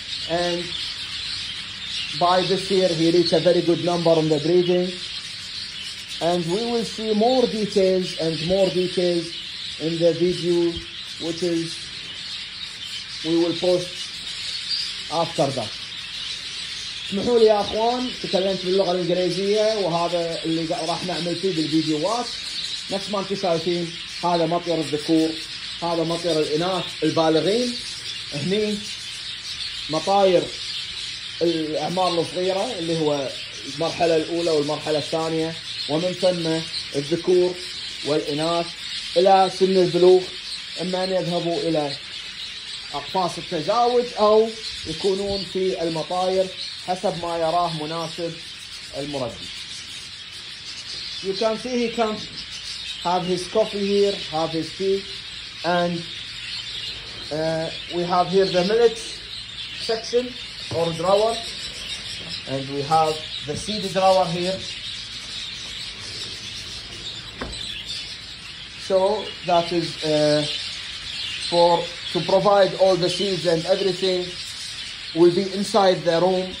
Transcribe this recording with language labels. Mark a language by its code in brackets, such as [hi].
[en] And by this year, he reached a very good number on the breeding. And we will see more details and more details in the video, which is we will post after that. [ar] اسمحوا لي يا اخوان تكلمت باللغه الانجليزيه وهذا اللي راح نعمل فيه بالفيديوهات نفس ما انتم شايفين هذا مطير الذكور هذا مطير الاناث البالغين هني مطاير الاعمار الصغيره اللي هو المرحله الاولى والمرحله الثانيه ومن ثم الذكور والاناث الى سن البلوغ اما ان يذهبوا الى اقفاص التزاوج او يكونون في المطاير حسب ما يراه مناسب المربي. [en] You can see he can have his coffee here, have his tea, and we have here the millet section or drawer, and we have the seed drawer here, so that is for to provide all the seeds and everything will be inside the room.